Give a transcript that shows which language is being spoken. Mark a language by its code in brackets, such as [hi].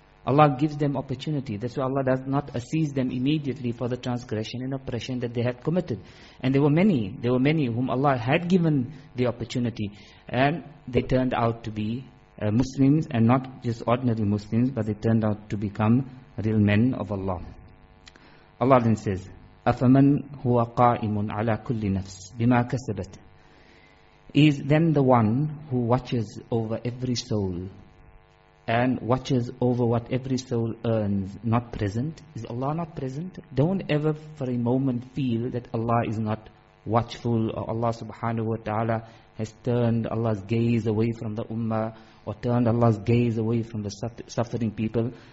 [en] Allah gives them opportunity. That's why Allah does not seize them immediately for the transgression and oppression that they had committed. And there were many. There were many whom Allah had given the opportunity. And they turned out to be Muslims, and not just ordinary Muslims, but they turned out to become real men of Allah. [ar] Allah then says, أَفَمَنْ هُوَ قَائِمٌ عَلَى كُلِّ نَفْسٍ بِمَا كَسَبَتْ. [en] Is then the one who watches over every soul and watches over what every soul earns not present? Is Allah not present? Don't ever for a moment feel that Allah is not watchful, or Allah subhanahu wa ta'ala has turned Allah's gaze away from the ummah, or turned Allah's gaze away from the suffering people.